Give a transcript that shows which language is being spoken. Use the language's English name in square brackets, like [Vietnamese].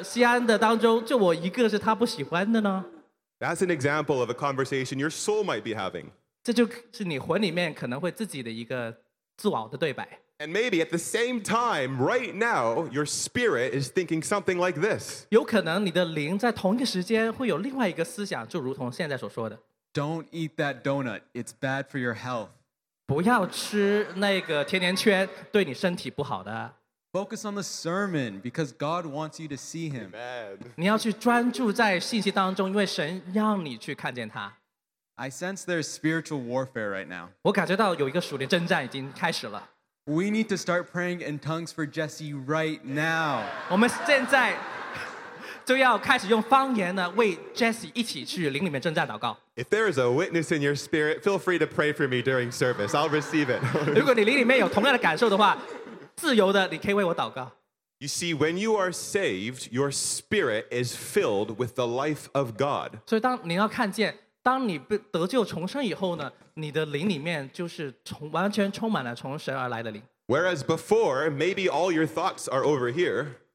[Chinese] 会不会是在整个西安的当中就我一个是他不喜欢的呢? [English] That's an example of a conversation your soul might be having. [Chinese] 这就是你魂里面可能会自己的一个自我的对白。 [English] And maybe at the same time, right now, your spirit is thinking something like this. [Chinese] 有可能你的灵在同一个时间会有另外一个思想，就如同现在所说的。 [English] Don't eat that donut. It's bad for your health. [Chinese] 不要吃那个甜甜圈，对你身体不好的。 [English] Focus on the sermon because God wants you to see him. Amen. [Chinese] 你要去专注在信息当中，因为神让你去看见他。 [English] I sense there's spiritual warfare right now. [Chinese] 我感觉到有一个属灵征战已经开始了。 [English] We need to start praying in tongues for Jesse right now. [Chinese] 我们现在 就要开始用方言呢，为Jesse一起去灵里面征战祷告。 [English] If there is a witness in your spirit, feel free to pray for me during service. I'll receive it. [Chinese] 如果你灵里面有同样的感受的话，自由的，你可以为我祷告。 [English] You see, when you are saved, your spirit is filled with the life of God. [Chinese] 所以当你要看见，当你得救重生以后呢，你的灵里面就是完全充满了从神而来的灵。 [English] Whereas before, maybe all your thoughts are over here.